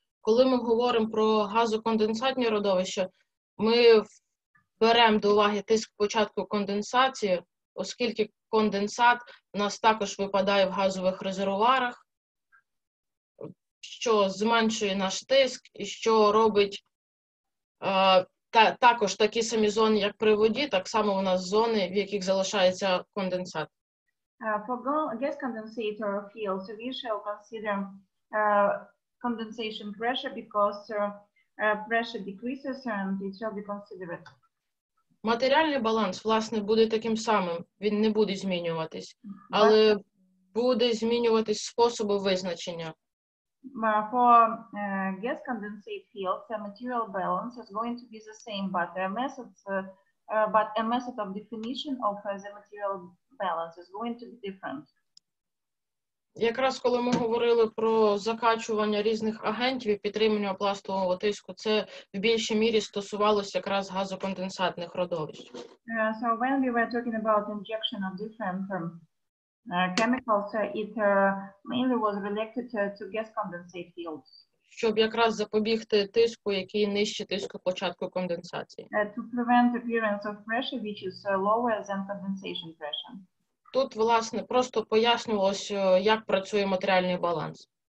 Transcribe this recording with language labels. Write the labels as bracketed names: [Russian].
[Ukrainian] Коли ми говоримо про газоконденсатні родовища, ми беремо до уваги тиск початку конденсації, оскільки конденсат у нас також випадає в газових резервуарах, що зменшує наш тиск і що робить також такі самі зони, як при воді, так само у нас зони, в яких залишається конденсат. [English] For gas condensator field, so we shall consider condensation pressure because pressure decreases and it shall be considered. [Ukrainian] Матеріальний баланс, власне, буде таким самим, він не буде змінюватись, але буде змінюватись способ визначення. [English] For gas condensate field, the material balance is going to be the same, but a method of definition of the material balance is going to be different. [Ukrainian] Якраз коли ми говорили про закачування різних агентів і підтримання пластового тиску, це в більшій мірі стосувалося якраз газоконденсатних родовищ. [English] So when we were talking about injection of different chemicals, it mainly was related to gas condensate fields. [Ukrainian] Щоб якраз запобігти тиску, який нижче тиску початку конденсації. [English] To prevent appearance of pressure, which is lower than condensation pressure. [Ukrainian] Тут, власне, просто пояснювалось, як працює матеріальний баланс.